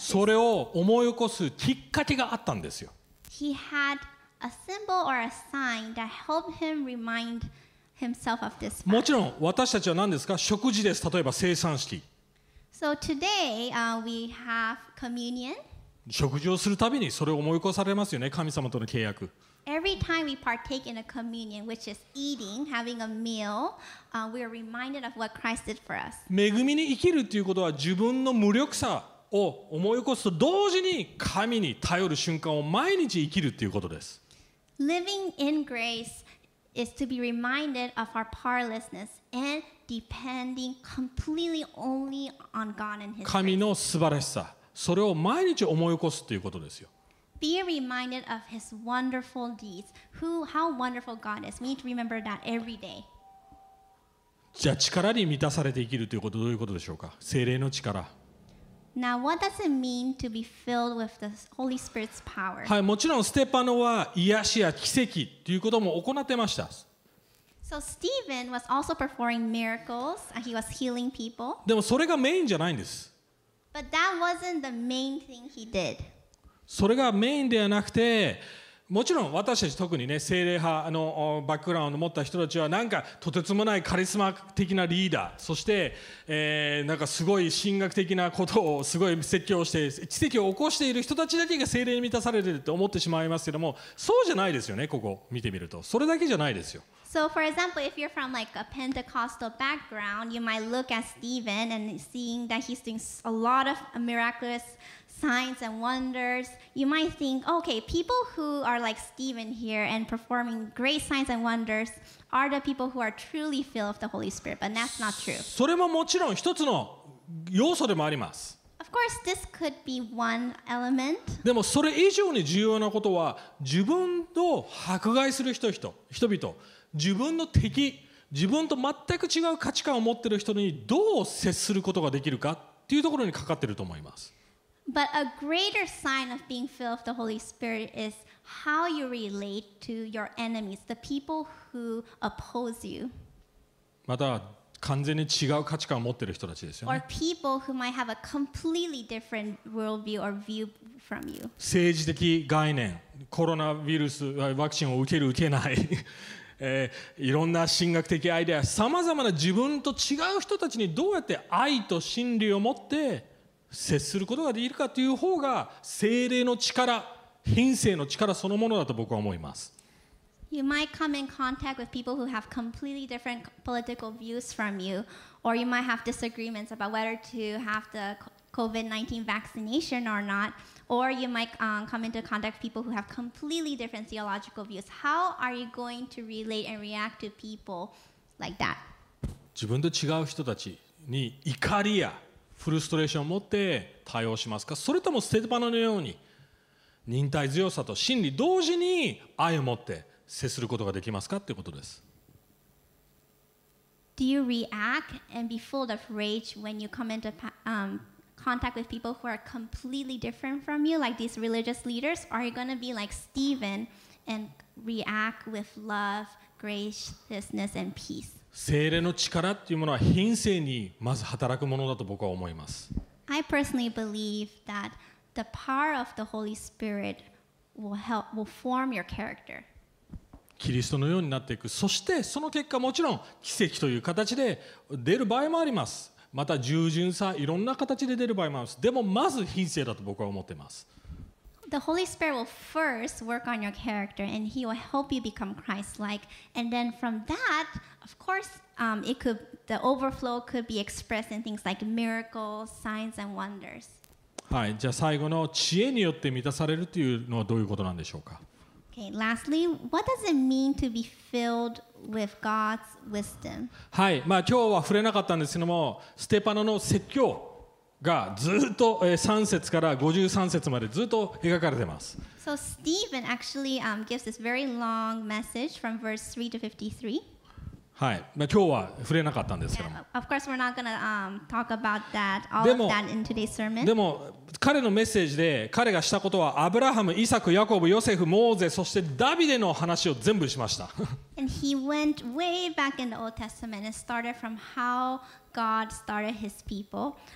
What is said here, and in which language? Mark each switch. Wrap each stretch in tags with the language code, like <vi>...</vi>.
<ja>それを思い起こすきっかけがあったんですよ。</ja> <en>He had a symbol or a sign that helped him remind himself of this fact.</en> <ja>もちろん私たちは何ですか？食事です。例えば聖餐式。</ja> <en>So today, we have communion.</en> <ja>食事をするたびにそれを思い起こされますよね。神様との契約。</ja> <en>Every time we partake in a communion, which is eating, having a meal, we are reminded of what Christ did for us.</en> <ja>恵みに生きるということは自分の無力さを思い起こすと同時に神に頼る瞬間を毎日生きるということです。</ja> <en>Living in grace is to be reminded of our powerlessness and depending completely only on God and His grace.</en> <ja>神の素晴らしさ、それを毎日思い起こすということですよ。</ja> <en>Be reminded of His wonderful deeds. How wonderful God is. We need to remember that every day.</en> <ja>じゃあ力に満たされて生きるということはどういうことでしょうか？聖霊の力。</ja> <en>Now, what does it mean to be filled with the Holy Spirit's power?</en> <ja>はい、もちろんステパノは癒しや奇跡ということも行ってました。</ja> <en>So Stephen was also performing miracles. He was healing people.</en> <ja>でもそれがメインじゃないんです。</ja> <en>But that wasn't the main thing he did.</en> <ja>それがメインではなくて、もちろん私たち特にね、聖霊派のバックグラウンドを持った人たちは、なんかとてつもないカリスマ的なリーダー、そして、なんかすごい神学的なことをすごい説教して、奇跡を起こしている人たちだけが聖霊に満たされていると思ってしまいますけども、そうじゃないですよね、ここ見てみると。それだけじゃないですよ。</ja> <en>So for example, if you're from like a Pentecostal background, you might look at Stephen and seeing that he's doing a lot of miraculous signs and wonders, you might think, okay, people who are like Stephen here and performing great signs and wonders are the people who are truly filled with the Holy Spirit, but that's not true.</en> <ja>それももちろん一つの要素でもあります。</ja> <en>Of course, this could be one element.</en> <ja>でもそれ以上に重要なことは、自分と迫害する人々、自分の敵、自分と全く違う価値観を持っている人にどう接することができるかっていうところにかかっていると思います。</ja> <en>But a greater sign of being filled with the Holy Spirit is how you relate to your enemies, the people who oppose you.</en> <ja>また完全に違う価値観を持っている人たちですよね。 Or people who might have a completely different worldview or view from you. 政治的概念、コロナウイルスワクチンを受ける受けない。いろんな神学的アイデア、さまざまな自分と違う人たちにどうやって愛と真理を持って接することができるかという方が聖霊の力、品性の力そのものだと僕は思います。</ja> <en>You might come in contact with people who have completely different political views from you, or you might have disagreements about whether to have the COVID-19 vaccination or not. Or you might come into contact with people who have completely different theological views. How are you going to relate and react to people like that?</en> <ja>自分と違う人たちに怒りやフルストレーションを持って対応しますか？それともステパノのように忍耐強さと真理同時に愛を持って接することができますかということです。</ja> <en>Do you react and be full of rage when you come into contact with people who are completely different from you, like these religious leaders, or are you going to be like Stephen and react with love, graciousness, and peace?</en> <ja>聖霊の力というものは品性にまず働くものだと僕は思います。</ja> <en>I personally believe that the power of the Holy Spirit will help, will form your character.</en> <ja>キリストのようになっていく。そしてその結果もちろん奇跡という形で出る場合もあります。また従順さ、いろんな形で出る場合もあります。でもまず品性だと僕は思っています。</ja> <en>The Holy Spirit will first work on your character and He will help you become Christ-like. And then from that, of course, it could, the overflow could be expressed in things like miracles, signs and wonders.</en> <ja>はい、じゃあ最後の知恵によって満たされるというのはどういうことなんでしょうか。</ja> <en>Okay, lastly, what does it mean to be filled with God's wisdom?</en> <ja>はい、まあ今日は触れなかったんですけども、ステパノの説教がずっと3節から53節までずっと描かれてます。</ja> <en>So Stephen actually gives this very long message from verse 3 to 53.</en> <ja>はい、まあ今日は触れなかったんですけども。</ja> <en>Of course, we're not going to talk about that, all of that in today's sermon.</en> <ja>でも彼のメッセージで彼がしたことはアブラハム、イサク、ヤコブ、ヨセフ、モーゼ、そしてダビデの話を全部しました。</ja> <en>And he went way back in the Old Testament and started from how God started his people.</en>